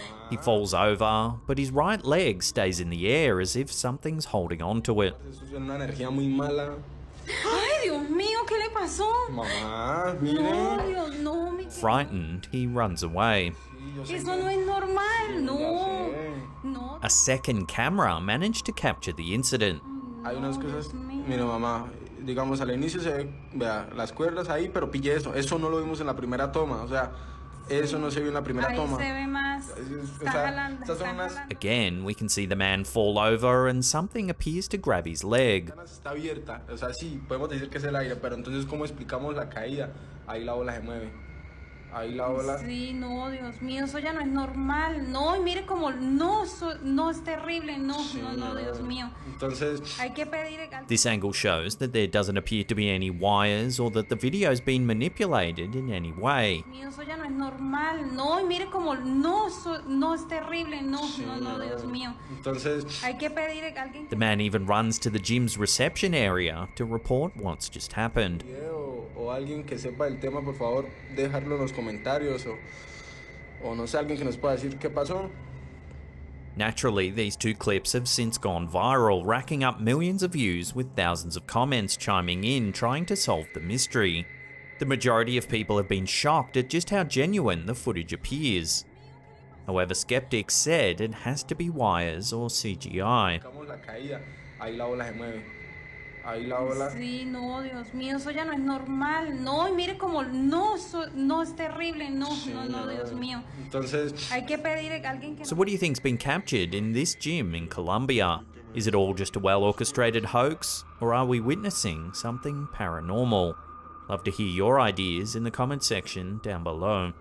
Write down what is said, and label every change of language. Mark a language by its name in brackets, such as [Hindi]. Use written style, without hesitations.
[English] He falls over, but his right leg stays in the air as if something's holding on to it. [Spanish] Eso es una energía muy mala. Ay, Dios mío, ¿qué le pasó? Mamá, mire. No, Dios, no, mi... [English] Frightened, he runs away. [Spanish] Eso no es normal, no. [English] A second camera managed to capture the incident. [Spanish] Hay unas cosas, mira mamá, digamos al inicio se ve las cuerdas ahí, pero pille eso, eso no lo vimos en la primera toma, o sea, eso no se vio en la primera toma. Ahí se ve más. Está jalando, está jalando. [English] Again, we can see the man fall over and something appears to grab his leg. [Spanish] Está abierta, o sea, sí, podemos decir que es el aire, pero entonces cómo explicamos la caída, ahí la ola se mueve. Ahí la ola. Sí, no, Dios mío, eso ya no es normal. No, y mire como, no, so, no, es terrible. No, sí, no, no, Dios mío. Entonces, hay que pedir... [English] This angle shows that there doesn't appear to be any wires or that the video has been manipulated in any way. [Spanish] Dios mío, eso ya no es normal. No, y mire como, no, so, no, es terrible. No, sí, no, no, Dios mío. Entonces, hay que pedir... [English] The man even runs to the gym's reception area to report what's just happened. [Spanish] O alguien que sepa el tema, por favor, dejarlo en los comentarios o no sé, alguien que nos pueda decir qué pasó. [English] Naturally, these two clips have since gone viral, racking up millions of views with thousands of comments chiming in trying to solve the mystery. The majority of people have been shocked at just how genuine the footage appears. However, skeptics said it has to be wires or CGI. [Spanish] Ahí la ola se mueve. Ahí la ola. Sí, no, Dios mío, eso ya no es normal. No, y mire como, no, so, no es terrible, no, sí, no, no, Dios mío. Entonces, hay que pedir a alguien que... [English] So what do you think's been captured in this gym in Colombia? Is it all just a well-orchestrated hoax, or are we witnessing something paranormal? Love to hear your ideas in the comment section down below.